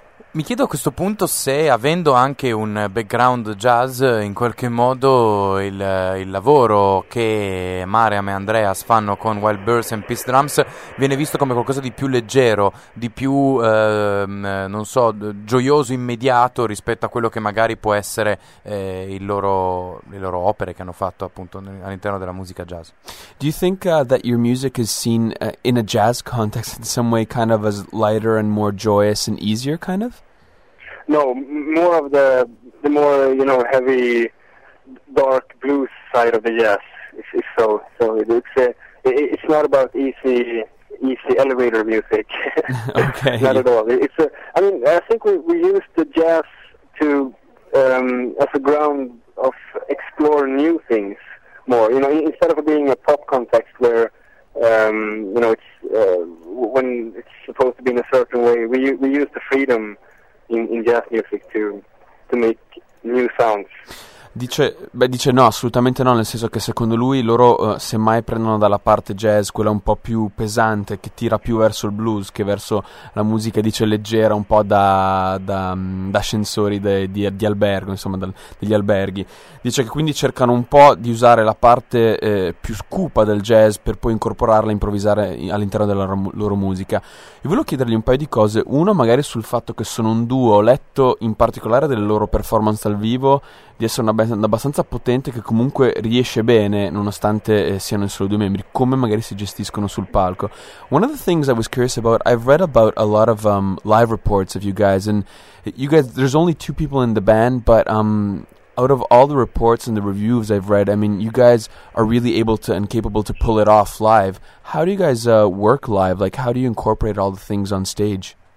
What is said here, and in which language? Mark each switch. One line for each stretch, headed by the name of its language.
Italian: Mi chiedo a questo punto se, avendo anche un background jazz, in qualche modo il lavoro che Mariam e Andreas fanno con Wild Birds and Peace Drums viene visto come qualcosa di più leggero, di più, non so, gioioso, immediato rispetto a quello che magari può essere le loro opere che hanno fatto appunto all'interno della musica jazz.
English: Do you think that your music is seen in a jazz context in some way kind of as lighter and more joyous and easier kind of? No, more of the more you know heavy, dark blues side of the jazz. If so, it's not about easy elevator music. Okay. Not at all. I think we use the jazz to as a ground of explore new things more. You know, instead of being a pop context where you know it's when it's supposed to be in a certain way, we use the freedom in jazz music to make new sounds.
Italian: Dice no, assolutamente no, nel senso che secondo lui loro semmai prendono dalla parte jazz, quella un po' più pesante, che tira più verso il blues che verso la musica, dice, leggera, un po' da ascensori di albergo, insomma, degli alberghi. Dice che quindi cercano un po' di usare la parte più cupa del jazz per poi incorporarla, improvvisare all'interno della loro musica. E volevo chiedergli un paio di cose. Uno, magari sul fatto che sono un duo, ho letto in particolare delle loro performance dal vivo di essere una band abbastanza potente che comunque riesce bene nonostante siano solo due membri, come magari si gestiscono sul palco.
English: One of the things I was curious about, I've read about a lot of live reports of you guys, and you guys, there's only two people in the band, but out of all the reports and the reviews I've read, I mean, you guys are really able to and capable to pull it off live. How do you guys work live? Like, how do you incorporate all the things on stage?